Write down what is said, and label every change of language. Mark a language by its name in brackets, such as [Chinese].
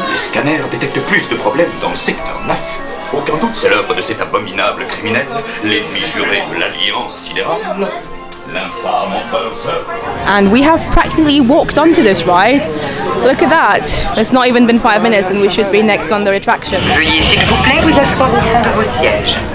[French] Le scanner détecte plus de problèmes dans le secteur 9. Aucun doute, c'est l'œuvre de cet abominable criminel, l'ennemi juré de l'Alliance Sidérable. [English] And we have practically walked onto this ride. Look at that. It's not even been 5 minutes and we should be next on the attraction. [French] Veuillez s'il vous plaît vous asseoir au fond de vos sièges.